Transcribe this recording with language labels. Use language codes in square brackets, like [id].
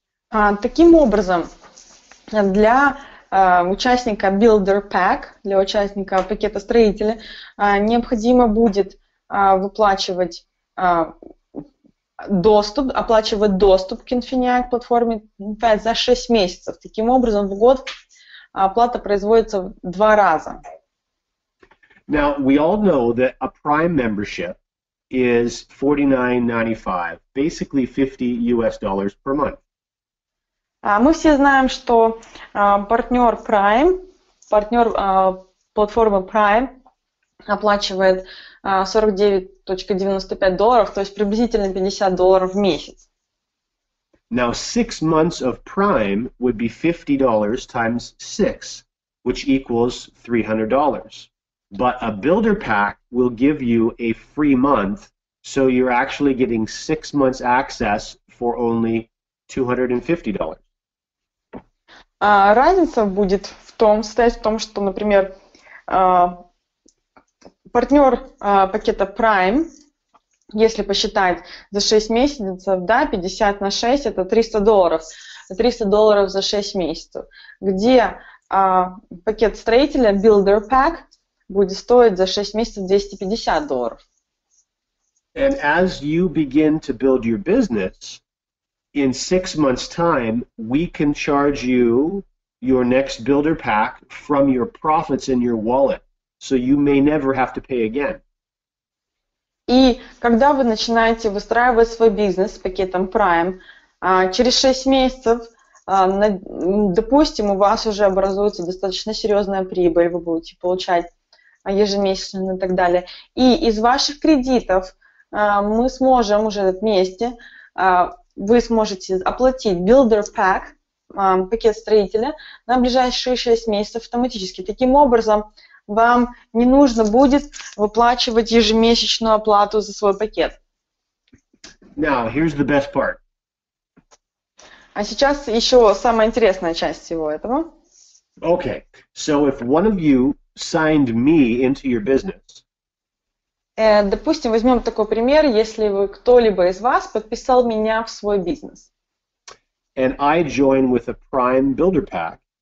[ru] Таким образом, для участника Builder Pack, для участника пакета строителя, необходимо будет выплачивать доступ, оплачивать доступ к Infinii к платформе 5 за 6 месяцев. Таким образом, в год оплата производится в 2 раза. [en] Now, we all know that a Prime membership is $49.95, basically $50 per month. [ru] Мы все знаем, что партнер Prime, партнер платформы Prime оплачивает $49.95, то есть приблизительно $50 в месяц. [en] Now 6 months of Prime would be $50 times 6, which equals $300. But a builder pack will give you a free month, so you're actually getting 6 months access for only $250. [ru] Разница будет в том, состоит в том, что, например, партнер пакета Prime, если посчитать за 6 месяцев, да, 50 на 6 – это $300. $300 за 6 месяцев. Где пакет строителя, Builder Pack, будет стоить за 6 месяцев $250. [en] And as you begin to build your business, in 6 months' time, we can charge you your next builder pack from your profits in your wallet, so you may never have to pay again. [ru] И когда вы начинаете выстраивать свой бизнес с пакетом Prime, через 6 месяцев, допустим, у вас уже образуется достаточно серьезная прибыль, вы будете получать ежемесячно и так далее. И из ваших кредитов мы сможем уже вместе вы сможете оплатить Builder Pack, пакет строителя, на ближайшие 6 месяцев автоматически. Таким образом, вам не нужно будет выплачивать ежемесячную оплату за свой пакет. [en] Now, here's the best part. [ru] А сейчас еще самая интересная часть всего этого. [en] Okay, so if one of you signed me into your business, [ru] Допустим, возьмем такой пример, если вы кто-либо из вас подписал меня в свой бизнес. [en] And I join with a Prime Builder Pack.